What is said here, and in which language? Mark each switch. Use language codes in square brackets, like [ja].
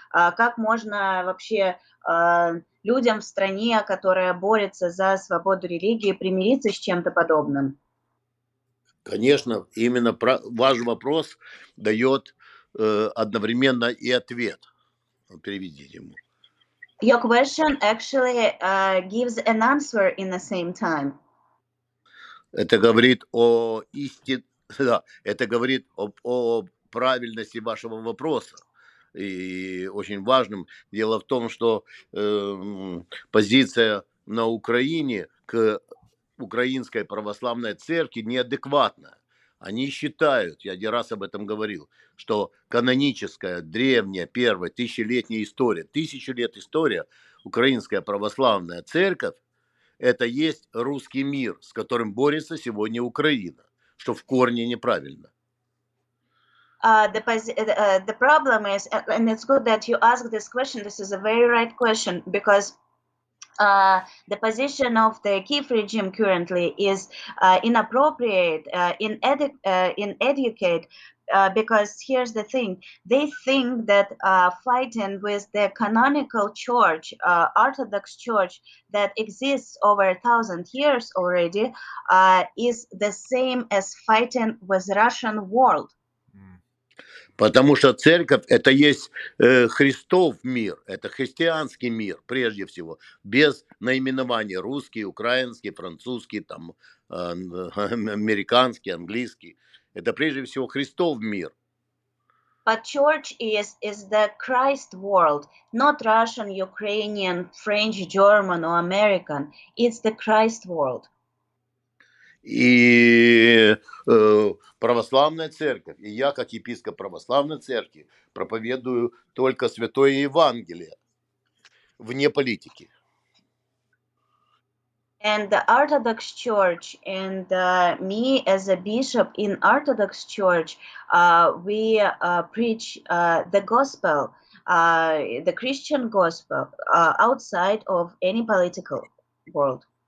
[ru] Как можно вообще людям в стране, которая борется за свободу религии, примириться с чем-то подобным? Конечно, именно ваш вопрос дает одновременно и ответ. Переведите ему. [en] Your question actually gives an answer in the same time. [ru] Это говорит о правильности вашего вопроса и очень важном. Дело в том, что позиция на Украине к Украинской Православной Церкви неадекватна. Они считают, я не раз об этом говорил, что каноническая, древняя, первая, тысячу лет история Украинская Православная Церковь – это есть русский мир, с которым борется сегодня Украина, что в корне неправильно. [en] The problem is, and it's good that you ask this question. This is a very right question, because the position of the Kyiv regime currently is inappropriate, inadequate, because here's the thing. They think that fighting with the canonical church, Orthodox church, that exists over 1,000 years already, is the same as fighting with Russian world. [ru] Потому что церковь – это есть Христов мир, это христианский мир, прежде всего, без наименований русский, украинский, французский, там, американский, английский. Это прежде всего Христов мир. [en] But church is the Christ world, not Russian, Ukrainian, French, German or American. It's the Christ world. [ru] И православная церковь, и я как епископ православной церкви проповедую только Святое Евангелие вне политики. [en] And the Orthodox Church and me as a bishop in Orthodox Church, we preach the gospel, the Christian gospel, outside of any political world.